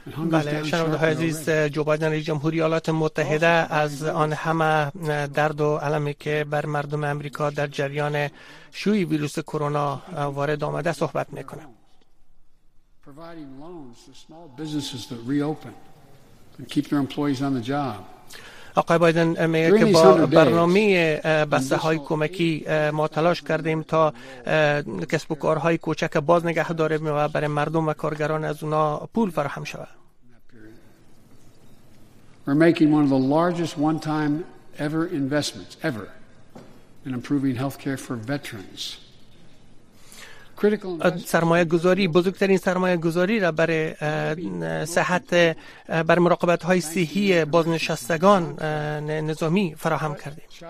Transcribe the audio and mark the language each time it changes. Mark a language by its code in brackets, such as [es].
[fa] بله شنونده های عزیز، جو بایدن رئیس جمهور ایالات متحده از آن همه درد و المی که بر مردم امریکا در جریان شیوع ویروس کرونا وارد آمده صحبت میکنه. [en] Providing loans to small businesses that reopen and keep their employees on the job. [fa] آقای بایدن میگه که با برنامه بسته های کمکی ما تلاش کردیم تا کسب و کارهای کوچک باز نگه داریم و برای مردم و کارگران از اونا پول فراهم شود. [en] We're making one of the largest one-time ever investments ever in improving healthcare for veterans. [fa] سرمایه گذاری، بزرگترین سرمایه گذاری را برای صحت، بر مراقبت های صحی بازنشستگان نظامی فراهم کردیم.